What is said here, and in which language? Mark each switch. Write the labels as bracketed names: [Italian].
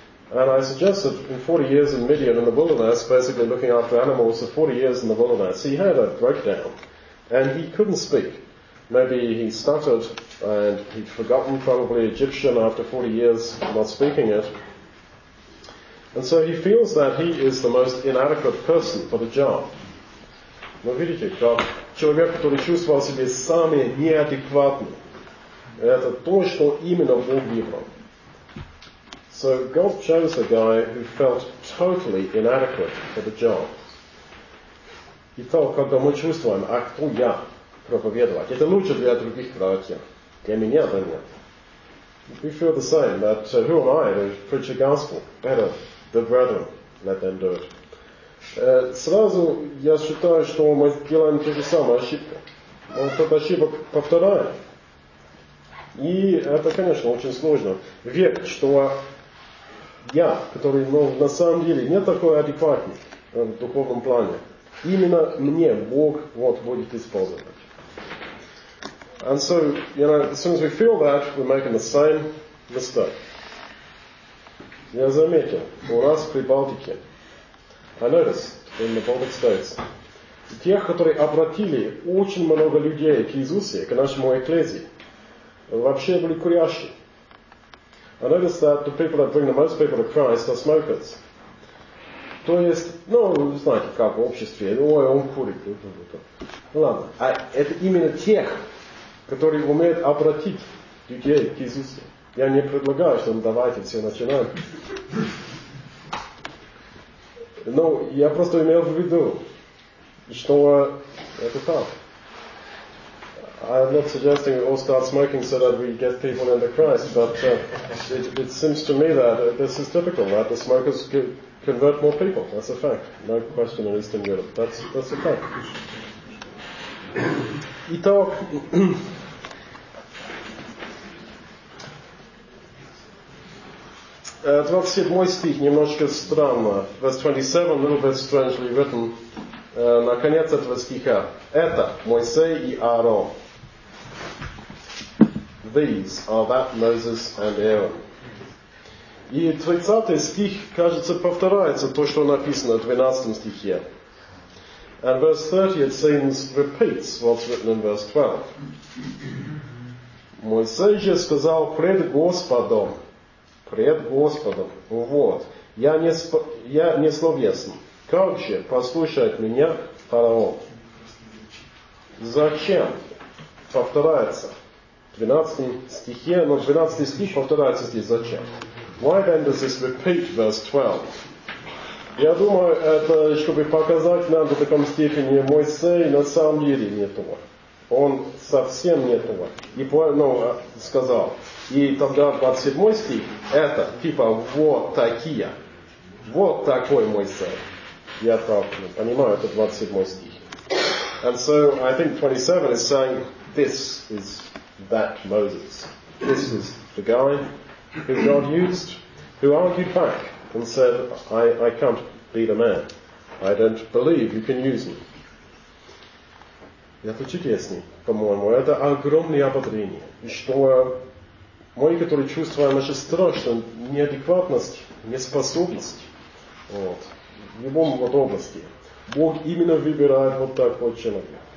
[English] And I suggest that in 40 years in Midian in the wilderness, basically looking after animals for 40 years in the wilderness, he had a breakdown. And he couldn't speak. Maybe he stuttered and he'd forgotten probably Egyptian after 40 years not speaking it. And so he feels that he is the most inadequate person for the job. [Russian] Но видите, как человек, который чувствовал себя самый неадекватный, это то, что именно Бог выбрал. [English] So God chose a guy who felt totally inadequate for the job. [Russian] И то, когда мы чувствуем, а кто я проповедовать, это лучше для других братьев, для меня, да нет. [English] We feel the same, that who am I to preach the gospel? Better the brethren, let them do it. [Russian] Сразу я считаю, что мы делаем ту же самую ошибку. Мы тут ошибок повторяем. И это, конечно, очень сложно верить, что я, который, ну, на самом деле не такой адекватный в духовном плане, именно мне Бог вот будет использовать. [English] And so, you know, as soon as we feel that, we're making the same mistake. [Russian] Я заметил, у нас в Прибалтике, [English] I noticed in the Baltic States, [Russian] тех, которые обратили очень много людей к Иисусе, к нашему экклезии, вообще были курящие. [English] I noticed that the people that bring the most people to Christ are smokers. [Russian] То есть, ну, вы знаете, как в обществе, ой, он курит. Ну ладно, а это именно тех, которые умеют обратить людей к Иисусу. Я не предлагаю, что ну, давайте все начинаем. Но я просто имел в виду, что это так. [English] I'm not suggesting we all start smoking so that we get people into Christ, but it seems to me that this is typical, that the smokers convert more people. That's a fact. No question in Eastern Europe. That's a fact. [Russian] Итак, [English] verse 27, [Russian] немножко странно. [English] Verse 27, a little bit strangely written. [Russian] На конец этого стиха. Это Моисей и Аарон. [English] These are that Moses and Aaron. [Russian] И 30 стих, кажется, повторяется то, что написано в 12 стихе. [English] And verse 30, it seems, repeats what's written in verse 12. [Russian] Моисей же сказал пред Господом. Пред Господом. Вот. Я не словесен. Как же послушает меня фараон? Зачем? Повторяется. 12 стихе, но 12 стих повторяется здесь. Зачем? [English] Why then does this repeat verse 12? [Russian] Я думаю, это чтобы показать нам в таком степени Моисей на самом деле не то. Он совсем не то. И ну, сказал. И тогда 27 стих это типа вот такие. Вот такой Моисей. Я так понимаю, это 27 стих. [English] And so I think 27 is saying this is that Moses. This is the guy who God used, who argued back and said, I can't be the man. I don't believe you can use me. [Russian] Это чудесно, по-моему. Это огромное ободрение. И что мы, которые чувствуем наше страшно, неадекватность, неспособность, вот, в любом подобности, Бог именно выбирает вот такого человека.